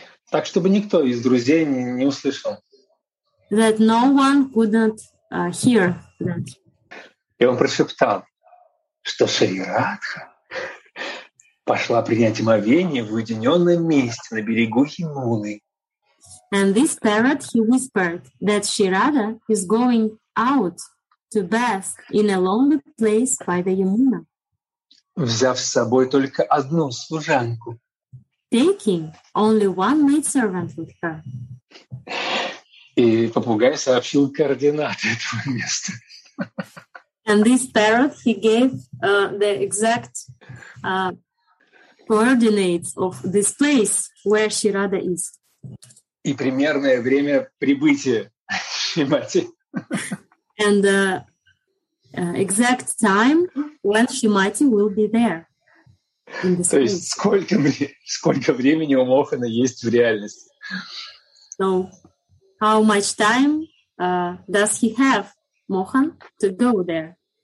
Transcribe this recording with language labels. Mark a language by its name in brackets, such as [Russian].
[Russian] Так, чтобы никто из друзей не услышал. [English] That no one couldn't hear that. [Russian] И он прошептал, что Шри Радха пошла принять омовение в уединенном месте на берегу Химуны. [English] And this parrot, he whispered that Шри Радха is going out to bask in a lonely place by the Yamuna. [Russian] Взяв с собой только одну служанку. [English] Taking only one maidservant with her. [Russian] И попугай сообщил координаты этого места. [English] And this parrot, he gave the exact coordinates of this place where Шри Радха is. [Russian] И примерное время прибытия Шримати. [English] And the exact time when Шримати will be there. [Russian] То есть сколько времени у Мохана есть в реальности? [English] So, how much time does he have, Mohan, to go there?